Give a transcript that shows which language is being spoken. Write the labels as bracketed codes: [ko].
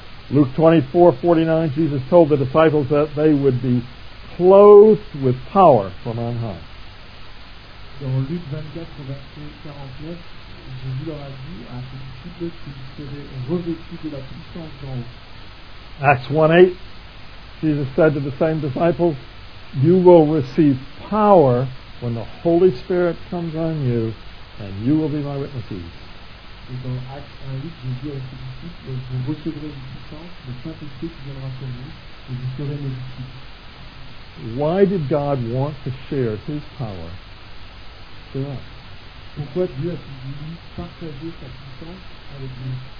[en] Luke 24:49, Jesus told the disciples that they would be clothed with power from on high. [fr] Dans Luc 24:49, Jésus leur a dit à ses disciples qu'ils seraient revêtus de la puissance d'en haut. [en] Acts 1:8, Jesus said to the same disciples, you will receive power when the Holy Spirit comes on you, and you will be my witnesses. [fr] Et dans Acte 1:8, je dis à ses disciples, vous recevrez du puissance, le Saint-Esprit qui viendra sur vous, et vous serez mes disciples. [en] Why did God want to share his power to us? [fr] Pourquoi Dieu a-t-il voulu partager sa puissance avec nous?